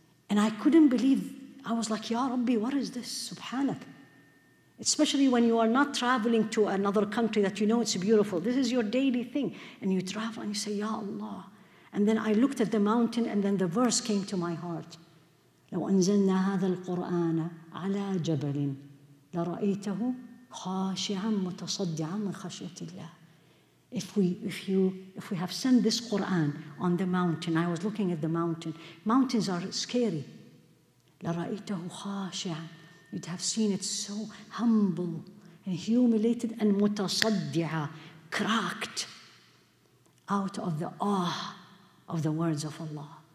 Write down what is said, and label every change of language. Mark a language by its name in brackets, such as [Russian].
[English] And I couldn't believe, I was like, Ya Rabbi, what is this? SubhanAllah. Especially when you are not traveling to another country that you know it's beautiful. This is your daily thing. And you travel and you say, Ya Allah. And then I looked at the mountain, and then the verse came to my heart. [Arabic] لو أنزلنا هذا القرآن على جبل لرأيته خاشعا متصدعا من خشية الله. [English] If we have sent this Quran on the mountain, I was looking at the mountain. Mountains are scary. [Arabic] لَرَأَيْتَهُ خَاشِعًا. [English] You'd have seen it so humble and humiliated and متصدعًا, cracked out of the awe of the words of Allah.